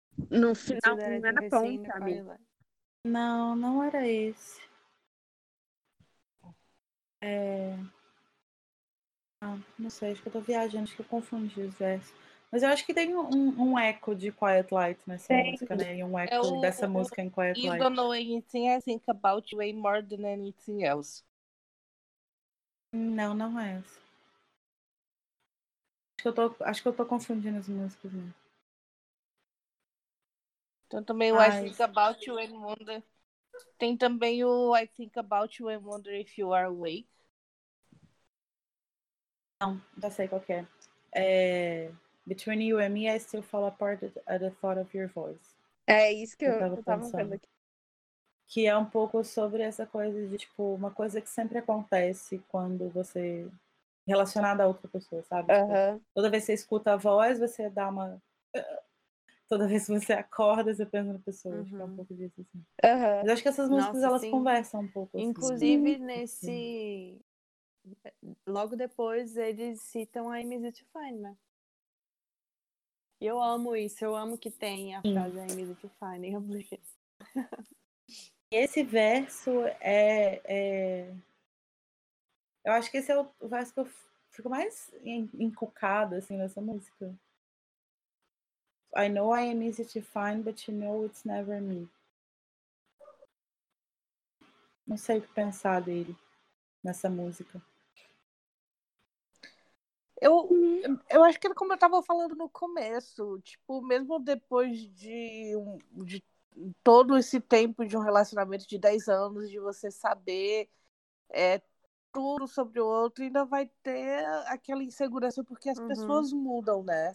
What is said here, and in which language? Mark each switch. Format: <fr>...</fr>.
<pt>No final, não é na ponta, amiga. Não, não era esse. Não sei, acho que eu tô viajando, acho que eu confundi os versos. Mas eu acho que tem um eco de Quiet Light nessa música, né? E um eco dessa música em Quiet Light.</pt> <en>You don't know anything I think about way more than anything else.</en> <pt>Não, não é essa. Acho que eu tô confundindo as músicas, né? Então também o I Think About You and Wonder. Tem também o I Think About You and Wonder If You Are Awake. Não, já sei qual que é.</pt> <en>Between You and Me, I Still Fall Apart at the Thought of Your Voice.</en> <pt>É isso que eu tava pensando aqui. Que é um pouco sobre essa coisa de, tipo, uma coisa que sempre acontece quando você... relacionada a outra pessoa, sabe? Uh-huh. Toda vez que você escuta a voz, você dá uma... Toda vez que você acorda, você pensa na pessoa. Uhum. Acho que é um pouco disso, assim. Uhum. Mas acho que essas músicas, nossa, elas sim, conversam um pouco. Assim. Inclusive, nesse... Logo depois, eles citam a I Miss You To Find Me. E eu amo isso. Eu amo que tenha a frase I Miss You To Find Me. Esse verso é... Eu acho que esse é o verso que eu fico mais encucada, assim, nessa música.</pt> <en>I know I am easy to find, but you know it's never me.</en> <pt>Não sei o que pensar dele nessa música. Eu acho que, como eu tava falando no começo, tipo, mesmo depois de todo esse tempo de um relacionamento de 10 anos, de você saber tudo sobre o outro, ainda vai ter aquela insegurança, porque as pessoas mudam, né?</pt>